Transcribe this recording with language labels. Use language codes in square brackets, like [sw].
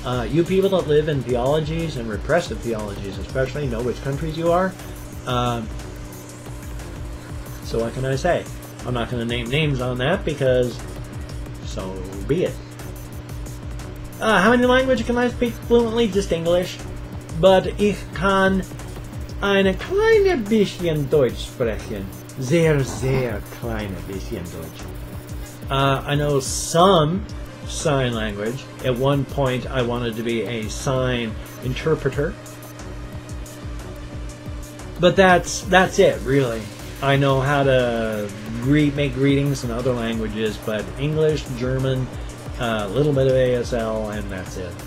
[en] You people that live in theologies and repressive theologies especially know which countries you are. So what can I say? I'm not going to name names on that, because so be it. How many languages can I speak fluently? Just English. [de] But ich kann ein kleines bisschen Deutsch sprechen. Sehr, sehr kleines bisschen Deutsch. [en] I know some sign language. At one point, I wanted to be a sign interpreter. But that's it, really. I know how to make greetings in other languages, but English, German, a little bit of ASL, and that's it.